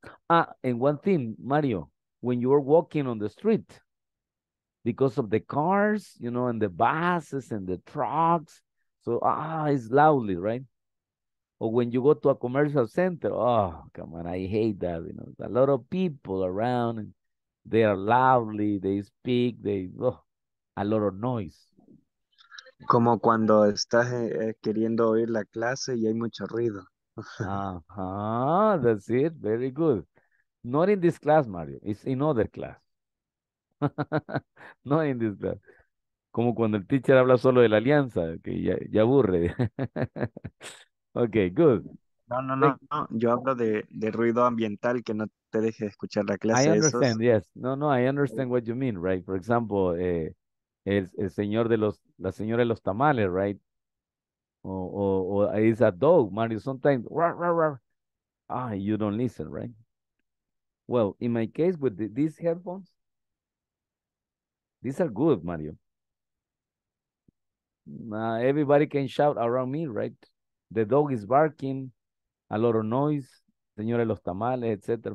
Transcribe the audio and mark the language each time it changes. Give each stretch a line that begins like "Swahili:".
English: And one thing, Mario, when you are walking on the street, because of the cars, you know, and the buses and the trucks. So, it's loudly, right? Or when you go to a commercial center, oh, come on, I hate that. You know, a lot of people around, and they are loudly, they speak, a lot of noise.
Spanish: Como cuando estás queriendo oír la clase y hay mucho ruido.
English: Uh-huh, that's it, very good. Not in this class, Mario, it's in other class. No in this class.
Spanish: Como cuando el teacher habla solo de la alianza, que ya aburre.
English: Okay, good. No.
Spanish: Yo hablo de ruido ambiental que no te deje escuchar la clase.
English: I understand, yes. No, I understand what you mean, right? For example,
Spanish: el señor de los, la señora de los tamales, right?
English: Or it's a dog, Mario, sometimes, rah, rah, rah. You don't listen, right? Well, in my case, with these headphones, these are good, Mario. Everybody can shout around me, right? The dog is barking, a lot of noise,
Spanish: señora los tamales,
English: etc.